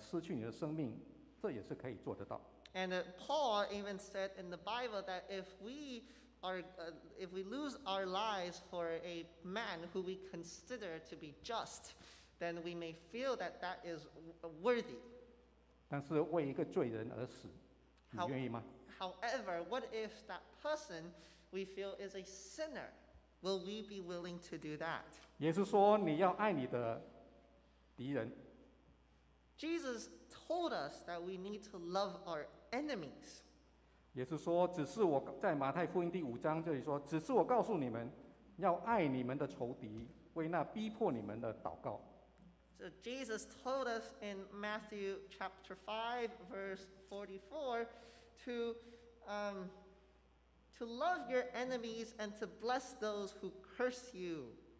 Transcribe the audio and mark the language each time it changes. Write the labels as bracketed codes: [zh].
[zh] 甚至保罗说，你为一个义人而失去你的生命，这也是可以做得到。 [en] And Paul even said in the Bible that if we are if we lose our lives for a man who we consider to be just, then we may feel that that is worthy. [zh] 但是为一个罪人而死，你愿意吗？ [en] However, what if that person we feel is a sinner? Will we be willing to do that? [zh] 也是说，你要爱你的。 [en] Jesus told us that we need to love our enemies. [zh] 也是说，只是我在马太福音第五章这里说，只是我告诉你们，要爱你们的仇敌，为那逼迫你们的祷告。 [en] So Jesus told us in Matthew chapter 5 verse 44 to love your enemies and to bless those who curse you.